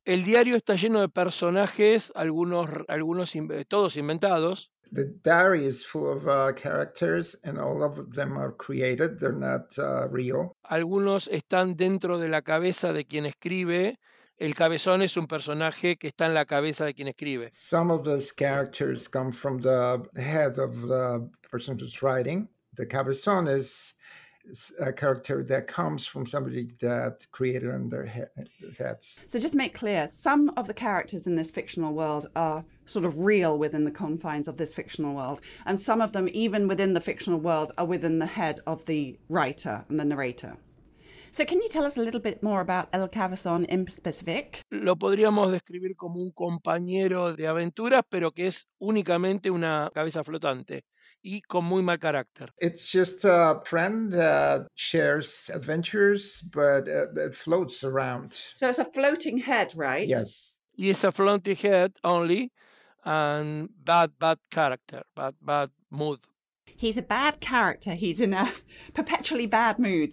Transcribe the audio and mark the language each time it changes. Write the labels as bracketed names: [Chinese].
[Spanish] El diario está lleno de personajes, algunos todos inventados. [English] The diary is full of characters and all of them are created. They're not real. [Spanish] Algunos están dentro de la cabeza de quien escribe. El Cabezón es un personaje que está en la cabeza de quien escribe. [English] Some of those characters come from the head of the person who's writing. The Cabezón is a character that comes from somebody that created on their heads. So just to make clear, some of the characters in this fictional world are sort of real within the confines of this fictional world. And some of them, even within the fictional world, are within the head of the writer and the narrator. So can you tell us a little bit more about El Cabezón in specific? [Spanish] Lo podríamos describir como un compañero de aventuras, pero que es únicamente una cabeza flotante y con muy mal carácter. [English] It's just a friend that shares adventures, but it floats around. So it's a floating head, right? Yes. It's a floating head only and bad character, bad mood. He's a bad character. He's in a perpetually bad mood.